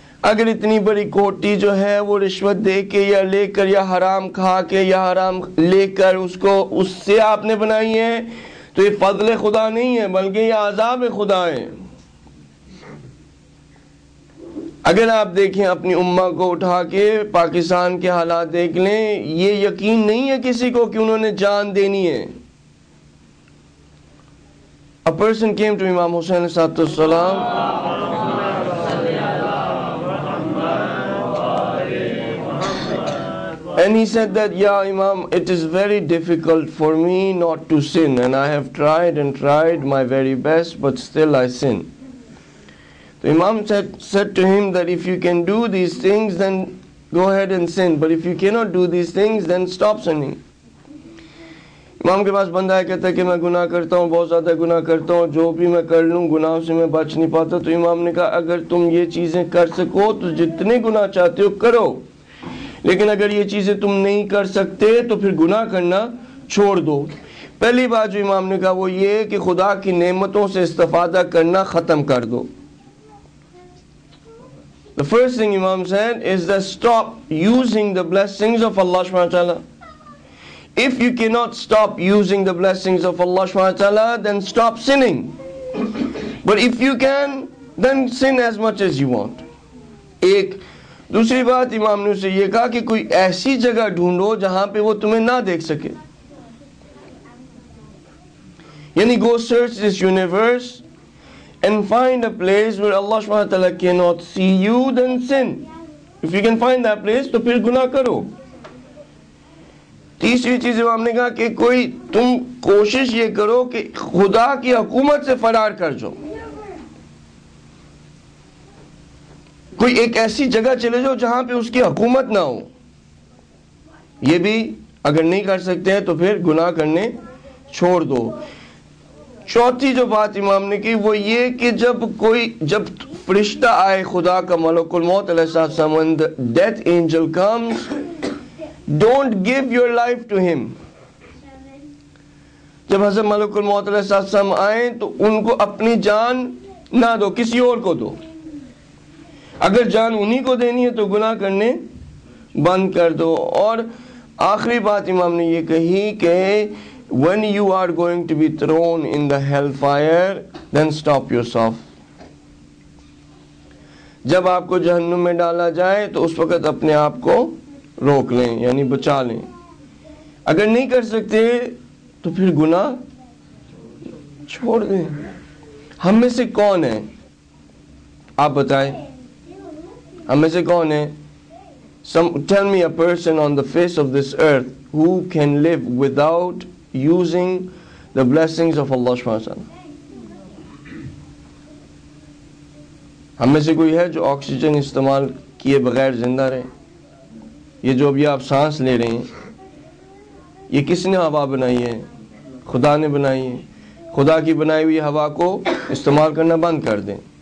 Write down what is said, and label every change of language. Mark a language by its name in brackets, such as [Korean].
[Urdu] اگر اتنی بڑی کوٹھی جو ہے وہ رشوت دے کے یا لے کر یا حرام کھا کے یا حرام لے کر اس کو اس سے آپ نے بنائی ہے, تو یہ فضل خدا نہیں ہے بلکہ یہ عذاب خدا ہے. اگر آپ دیکھیں اپنی امہ کو اٹھا کے پاکستان کے حالات دیکھ لیں, یہ یقین نہیں ہے کسی کو کہ انہوں نے جان دینی ہے. [English] A person came to Imam Hussain علیہ السلام, and he said that, yeah, Imam, it is very difficult for me not to sin, and I have tried and tried my very best, but still I sin. The Imam said to him that if you can do these things, then go ahead and sin. But if you cannot do these things, then stop sinning. [Urdu] امام کے پاس بندہ ہے کہتا ہے کہ میں گناہ کرتا ہوں، بہت زیادہ گناہ کرتا ہوں، جو بھی میں کر لوں گناہ سے میں بچ نہیں پاتا. تو امام نے کہا اگر تم یہ چیزیں کر سکو تو جتنے گناہ چاہتے ہو کرو، لیکن اگر یہ چیزیں تم نہیں کر سکتے تو پھر گناہ کرنا چھوڑ دو. پہلی بات جو امام نے کہا وہ یہ کہ خدا کی نعمتوں سے استفادہ کرنا ختم کر دو. [English] The first thing Imam said is that stop using the blessings of Allah subhanahu wa ta'ala. If you cannot stop using the blessings of Allah subhanahu wa ta'ala, then stop sinning. But if you can, then sin as much as you want. [Urdu] ایک دوسری بات امام نے اسے یہ کہا کہ کوئی ایسی جگہ ڈھونڈو جہاں پہ وہ تمہیں نہ دیکھ سکے، یعنی [English] go search this universe and find a place where Allah subhanahu wa ta'ala cannot see you, then sin. If you can find that place, [Urdu] تو پھر گناہ کرو. تیسری چیز امام نے کہا کہ کوئی تم کوشش یہ کرو کہ خدا کی حکومت سے فرار کر جاؤ، کوئی ایک ایسی جگہ چلے جاؤ جہاں پہ اس کی حکومت نہ ہو. یہ بھی اگر نہیں کر سکتے تو پھر گناہ کرنے چھوڑ دو. چوتھی جو بات امام نے کی وہ یہ کہ جب فرشتہ آئے خدا کا، ملک الموت علیہ السلام، [English] Death angel comes, don't give your life to him. [Urdu] جب حضرت ملک الموت علیہ السلام آئیں تو ان کو اپنی جان نہ دو، کسی اور کو دو. اگر جان انہی کو دینی ہے تو گناہ کرنے بند کر دو. اور آخری بات امام نے یہ کہی کہ [English] when you are going to be thrown in the hellfire, then stop yourself. [Urdu] جب آپ کو جہنم میں ڈالا جائے تو اس وقت اپنے آپ کو روک لیں، یعنی بچا لیں. اگر نہیں کر سکتے تو پھر گناہ چھوڑ دیں. ہم میں سے کون ہے آپ بتائیں، ہم میں سے کون ہے؟ [English] tell me a person on the face of this earth who can live without using the blessings of Allah subhanahu wa ta'ala. [Urdu] ہم میں سے کوئی ہے جو آکسیجن استعمال کیے بغیر زندہ رہے؟ یہ جو ابھی آپ سانس لے رہے ہیں یہ کس نے ہوا بنائی ہے؟ خدا نے بنائی ہے. خدا کی بنائی ہوئی ہوا کو استعمال کرنا بند کر دیں.